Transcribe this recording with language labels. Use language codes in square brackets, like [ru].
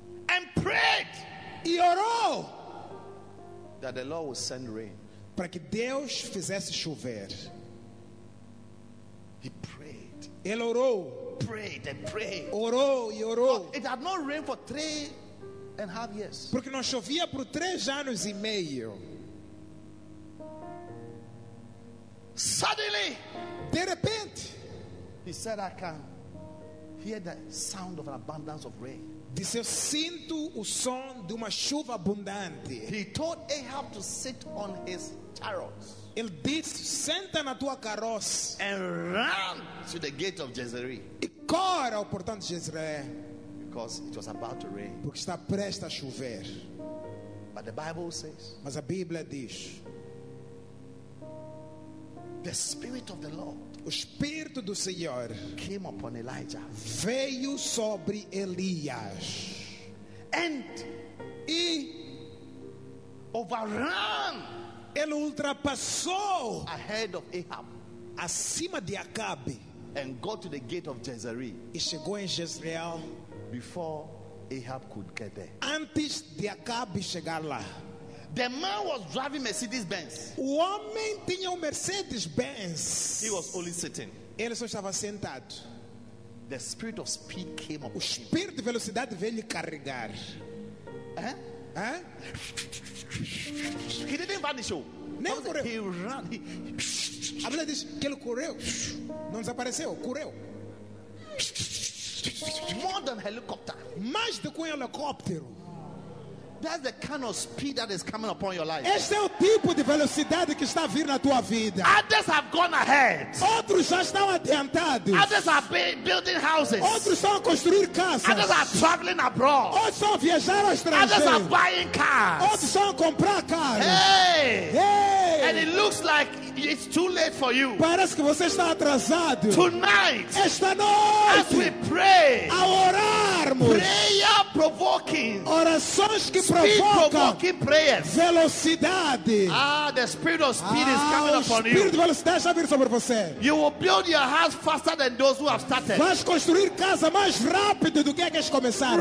[en] And prayed. [pt] E orou. [en] That the Lord would send rain. [pt] Para que Deus fizesse chover. [en] He prayed. [pt] Ele orou. [en] Prayed and prayed. [pt] Orou e orou. [en] But it had not rained for 3 years. And half years. [pt] Porque não chovia por 3 anos e meio. [en] Suddenly, [pt] de repente, [en] he said, "I can hear the sound of an abundance of rain." [pt] Disse, eu sinto o som de uma chuva abundante. [en] He told Ahab to sit on his chariot. [pt] Ele disse, senta na tua carroça. [en] And run to the gate of Jezreel. [pt] E corre ao portão de Jezreel. [en] Because it was about to rain. [pt] Porque está prestes a chover. [en] But the Bible says, [pt] mas a Bíblia diz, [en] the Spirit of the Lord, [pt] o Espírito do Senhor, [en] came upon Elijah, [pt] veio sobre Elias, [en] and [pt] e [en] overran, [pt] ele ultrapassou, [en] ahead of Ahab, [pt] acima de Acabe, [en] and got to the gate of Jezreel, [pt] e chegou em Jezreel. [en] Before Ahab could get there. [pt] Antes de Acabe chegar lá. [en] The man was driving Mercedes Benz. [pt] O homem tinha um Mercedes Benz. [en] He was only sitting. [pt] Ele só estava sentado. [en] The spirit of speed came up. [pt] O espírito de velocidade veio lhe carregar. [en] He didn't vanish. [pt] Nem correu. [en] He ran. [pt] A Bíblia diz que ele correu. Não desapareceu, correu. [en] More than helicopter. [pt] Mais do que um helicóptero. [en] That's the kind of speed that is coming upon your life. [pt] Esse é o tipo de velocidade que está vindo na tua vida. [en] Others have gone ahead. [pt] Outros já estão adiantados. [en] Others are building houses. [pt] Outros estão a construir casas. [en] Others are traveling abroad. [pt] Outros estão a viajar ao estrangeiro. [en] Others are buying cars. [pt] Outros estão a comprar carros. Hey! [en] And it looks like it's too late for you. [pt] Parece que você está atrasado. [en] Tonight, [pt] esta noite, [en] as we pray, [pt] ao orarmos, [en] prayer provoking, [pt] orações que provocam prayers, velocidade. [en] Ah, the spirit of speed is coming upon you. [pt] O espírito de velocidade está vindo sobre você. [en] You will build your house faster than those who have started. [pt] Vais construir casa mais rápido do que aqueles que começaram.